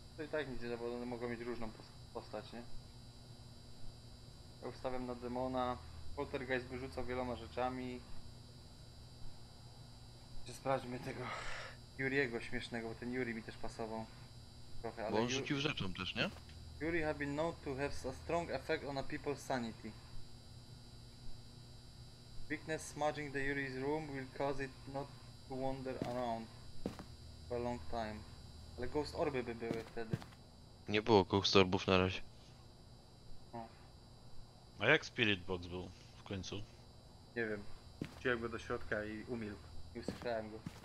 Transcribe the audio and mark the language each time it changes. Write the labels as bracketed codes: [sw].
[pl] To i tak nic nie da, bo one mogą mieć różną postać, nie? Ja ustawiam na demona. Poltergeist wyrzucał wieloma rzeczami. Czy sprawdźmy tego Yuriego śmiesznego, bo ten Yuri mi też pasował trochę, ale bo on rzucił rzeczą też, nie? [en] Yuri have been known to have a strong effect on a people's sanity. Weakness smudging the Yuri's room will cause it not to wander around for a long time. [pl] Ale ghost orby by były wtedy. Nie było ghost orbów na razie. A jak Spirit Box był w końcu? Nie wiem. Wziąłem go do środka i umilkł. Nie usłyszałem go.